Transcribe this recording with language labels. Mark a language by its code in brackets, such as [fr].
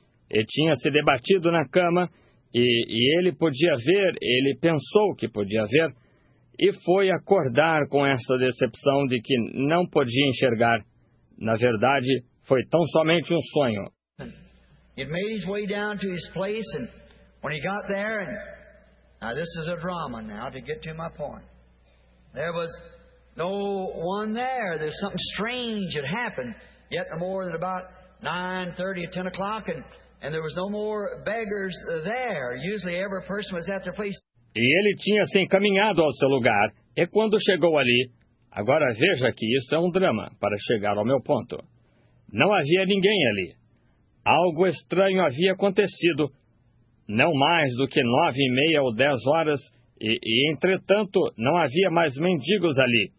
[pt] Ele tinha se debatido na cama e ele podia ver, ele pensou que podia ver, e foi acordar com essa decepção de que não podia enxergar. Na verdade, foi tão somente um sonho. Ele fez seu caminho até o seu lugar, e quando ele chegou lá, agora isso é um drama, para chegar ao meu ponto. [en] There was no one there. There's something strange had happened. Yet no more than about 9:30 or 10 o'clock, and there was no more beggars there. Usually every person was at their place. [pt] E ele tinha se encaminhado ao seu lugar. E quando chegou ali, agora veja que isso é um drama para chegar ao meu ponto. Não havia ninguém ali. Algo estranho havia acontecido. Não mais do que 9:30 ou 10 horas. E, entretanto, não havia mais mendigos ali.